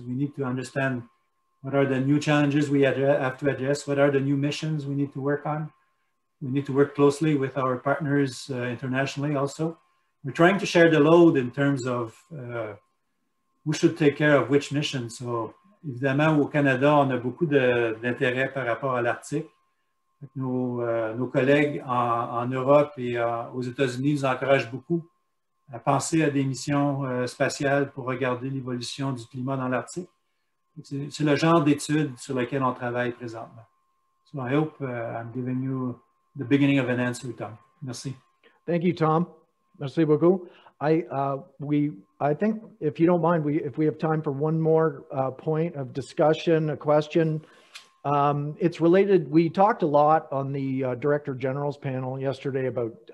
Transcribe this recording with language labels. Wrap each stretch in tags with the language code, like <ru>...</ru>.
<en>We need to understand what are the new challenges we have to address, what are the new missions we need to work on. We need to work closely with our partners internationally also. We're trying to share the load in terms of who should take care of which mission.</en> <fr>So, évidemment, au Canada, on a beaucoup d'intérêt par rapport à l'Arctique. Nos collègues en Europe et aux États-Unis nous encouragent beaucoup à penser à des missions spatiales pour regarder l'évolution du climat dans l'Arctique. C'est le genre d'études sur lesquelles on travaille présentement.</fr> <en>So, I hope I'm giving you the beginning of an answer, Tom.</en> <fr>Merci.</fr> <en>Thank you, Tom.</en> <fr>Merci beaucoup.</fr> <en>I think if you don't mind, if we have time for one more point of discussion, a question. It's related. We talked a lot on the Director General's panel yesterday about</en>